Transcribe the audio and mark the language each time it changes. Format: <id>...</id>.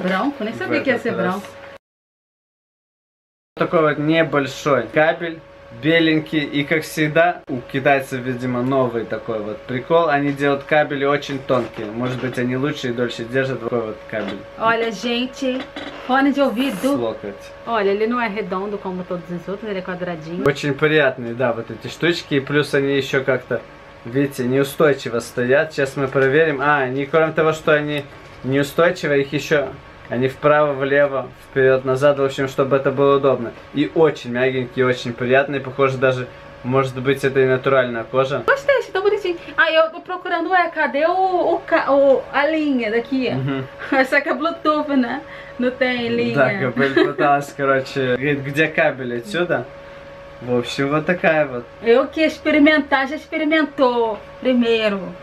<ru>Бранко, не знаю, как я себе бранко. Такой вот небольшой кабель, беленький, и как всегда, у китайцев, видимо, новый такой вот прикол, они делают кабели очень тонкие, может быть, они лучше и дольше держат такой вот кабель.</ru> <pt>Olha, gente, fone de ouvido.</pt> <ru>С локоть.</ru> <pt>Olha, ele não é redondo, como todos os outros, ele é quadradinho.</pt> <ru>Очень приятные, да, вот эти штучки, и плюс они еще как-то, видите, неустойчиво стоят, сейчас мы проверим, а, они, кроме того, что они неустойчивы, их еще... Они вправо, влево, вперед, назад, в общем, чтобы это было удобно. И очень мягенькие, очень приятные, похоже, даже, может быть, это и натуральная кожа.</ru> <pt>Gostei, estou bonitinho. Ah, eu tô procurando, ué, cadê o a linha daqui? Essa que é Bluetooth, né? Não tem linha.</pt> <ru>Да, кабель пыталась, короче, говорит, где кабель отсюда? В общем, вот такая вот.</ru> <pt>Eu que experimentar, já experimentou primeiro.</pt>